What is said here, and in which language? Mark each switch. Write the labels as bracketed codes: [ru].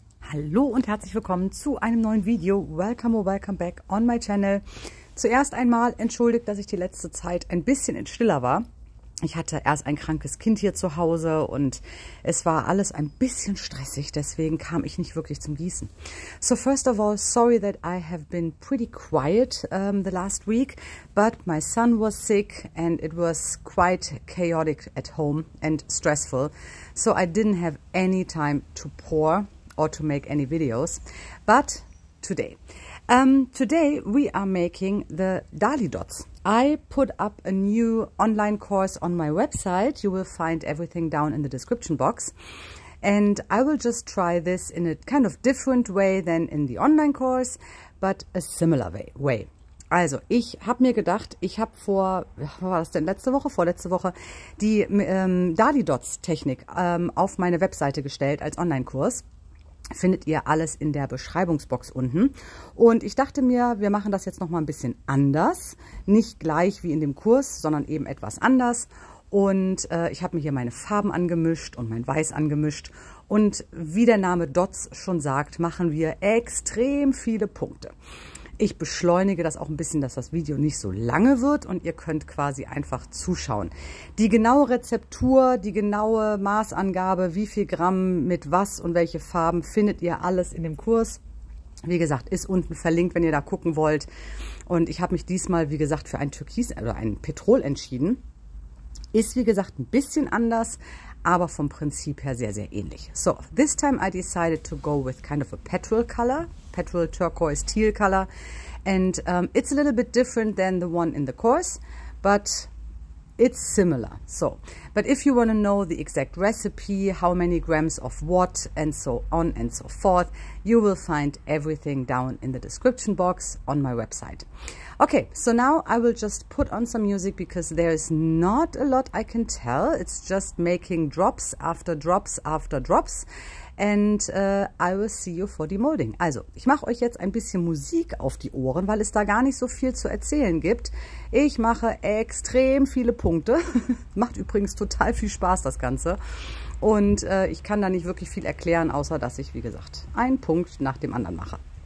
[de] Hallo und herzlich willkommen zu einem neuen Video. [en] Welcome or welcome back on my channel. [de] Zuerst einmal entschuldigt, dass ich die letzte Zeit ein bisschen stiller war. Ich hatte erst ein krankes Kind hier zu Hause und es war alles ein bisschen stressig, deswegen kam ich nicht wirklich zum Gießen. [en] So first of all, sorry that I have been pretty quiet the last week, but my son was sick and it was quite chaotic at home and stressful. So I didn't have any time to pour or to make any videos, but today. Today we are making the Dali Dots. I put up a new online course on my website. You will find everything down in the description box. And I will just try this in a kind of different way than in the online course, but a similar way. [de] Also, ich habe mir gedacht, ich habe vorletzte Woche, die Dali Dots Technik auf meine Webseite gestellt als Online-Kurs. Findet ihr alles in der Beschreibungsbox unten. Und ich dachte mir, wir machen das jetzt nochmal ein bisschen anders. Nicht gleich wie in dem Kurs, sondern eben etwas anders. Und ich habe mir hier meine Farben angemischt und mein Weiß angemischt. Und wie der Name Dots schon sagt, machen wir extrem viele Punkte. Ich beschleunige das auch ein bisschen, dass das Video nicht so lange wird und ihr könnt quasi einfach zuschauen. Die genaue Rezeptur, die genaue Maßangabe, wie viel Gramm mit was und welche Farben, findet ihr alles in dem Kurs. Wie gesagt, ist unten verlinkt, wenn ihr da gucken wollt. Und ich habe mich diesmal, wie gesagt, für ein Türkis oder ein Petrol entschieden. Ist, wie gesagt, ein bisschen anders, aber vom Prinzip her sehr, sehr ähnlich. [en] So, this time I decided to go with kind of a petrol color. Petrol turquoise teal color, and it's a little bit different than the one in the course, but it's similar. So, but if you want to know the exact recipe, how many grams of what, and so on and so forth, you will find everything down in the description box on my website. Okay, so now I will just put on some music because there is not a lot I can tell. It's just making drops after drops after drops. And I will see you for the molding. [de] Also, ich mache euch jetzt ein bisschen Musik auf die Ohren, weil es da gar nicht so viel zu erzählen gibt. Ich mache extrem viele Punkte. Macht übrigens total viel Spaß, das Ganze. Und ich kann da nicht wirklich viel erklären, außer dass ich, wie gesagt, einen Punkt nach dem anderen mache.